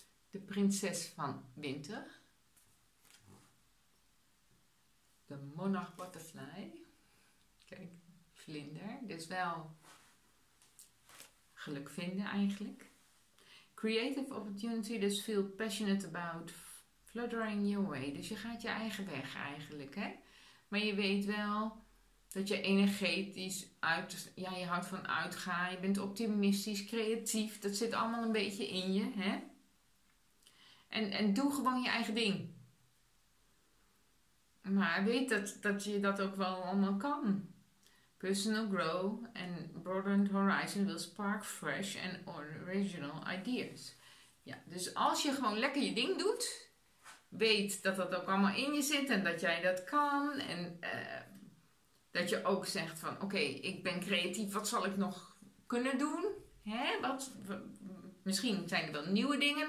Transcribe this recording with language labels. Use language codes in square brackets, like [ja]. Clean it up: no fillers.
[nl] De prinses van winter. De monarch butterfly. Kijk, vlinder. Dus wel geluk vinden eigenlijk. [en] Creative opportunity. [nl] Dus [en] feel passionate about fluttering your way. [nl] Dus je gaat je eigen weg eigenlijk. Hè? Maar je weet wel dat je energetisch uit... Ja, je houdt van uitgaan. Je bent optimistisch, creatief. Dat zit allemaal een beetje in je. Hè? En doe gewoon je eigen ding. Maar weet dat je dat ook wel allemaal kan. [en] Personal grow and broadened horizon will spark fresh and original ideas. [nl] Ja, dus als je gewoon lekker je ding doet. Weet dat dat ook allemaal in je zit en dat jij dat kan. En dat je ook zegt van oké, ik ben creatief. Wat zal ik nog kunnen doen? Hè? Misschien zijn er wel nieuwe dingen.